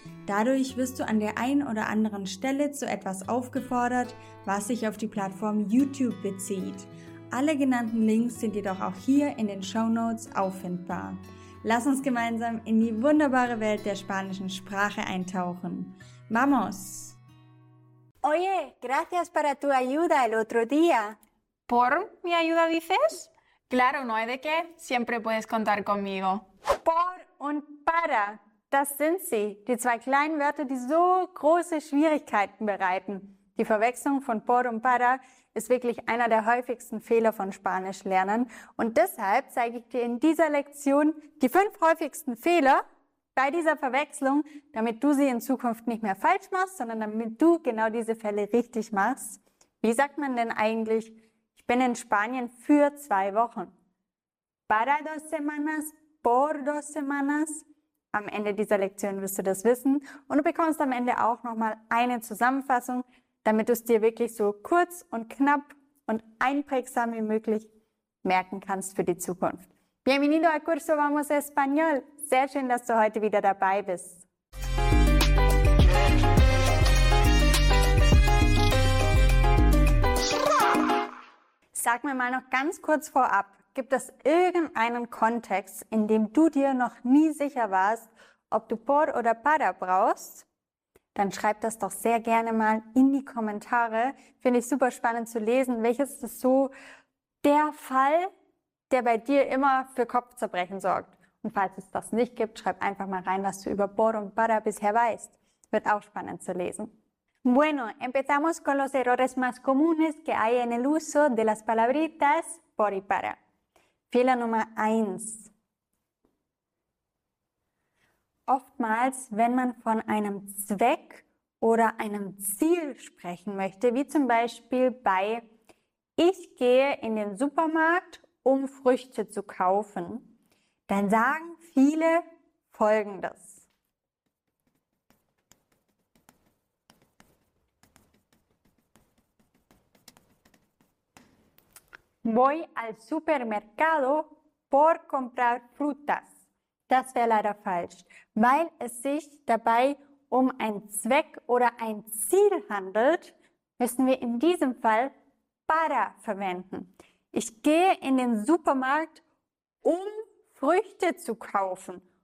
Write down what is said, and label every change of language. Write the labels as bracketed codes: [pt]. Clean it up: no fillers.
[de] Dadurch wirst du an der einen oder anderen Stelle zu etwas aufgefordert, was sich auf die Plattform YouTube bezieht. Alle genannten Links sind jedoch auch hier in den Shownotes auffindbar. Lass uns gemeinsam in die wunderbare Welt der spanischen Sprache eintauchen. [es] ¡Vamos! Oye, gracias para tu ayuda el otro día. ¿Por mi ayuda dices? Claro, no hay de qué. Siempre puedes contar conmigo. [de] Por und para, das sind sie, die zwei kleinen Wörter, die so große Schwierigkeiten bereiten. Die Verwechslung von por und para ist wirklich einer der häufigsten Fehler von Spanischlernern. Und deshalb zeige ich dir in dieser Lektion die 5 häufigsten Fehler bei dieser Verwechslung, damit du sie in Zukunft nicht mehr falsch machst, sondern damit du genau diese Fälle richtig machst. Wie sagt man denn eigentlich, ich bin in Spanien für 2 Wochen? [es] Para 2 semanas, por 2 semanas. [de] Am Ende dieser Lektion wirst du das wissen. Und du bekommst am Ende auch nochmal eine Zusammenfassung, damit du es dir wirklich so kurz und knapp und einprägsam wie möglich merken kannst für die Zukunft. [es] Bienvenido al curso Vamos Español. [de] Sehr schön, dass du heute wieder dabei bist. Sag mir mal noch ganz kurz vorab, gibt es irgendeinen Kontext, in dem du dir noch nie sicher warst, ob du por oder para brauchst? Dann schreib das doch sehr gerne mal in die Kommentare. Finde ich super spannend zu lesen. Welches ist so der Fall, der bei dir immer für Kopfzerbrechen sorgt? Und falls es das nicht gibt, schreib einfach mal rein, was du über por und para bisher weißt. Wird auch spannend zu lesen. [es] Bueno, empezamos con los errores más comunes que hay en el uso de las palabritas por y para. [de] Fehler Nummer 1. Oftmals, wenn man von einem Zweck oder einem Ziel sprechen möchte, wie zum Beispiel bei ich gehe in den Supermarkt, um Früchte zu kaufen, dann sagen viele Folgendes. [es] Voy al supermercado por comprar frutas. [de] Das wäre leider falsch, weil es sich dabei um einen Zweck oder ein Ziel handelt, müssen wir in diesem Fall para verwenden. Ich gehe in den Supermarkt, um Früchte zu kaufen.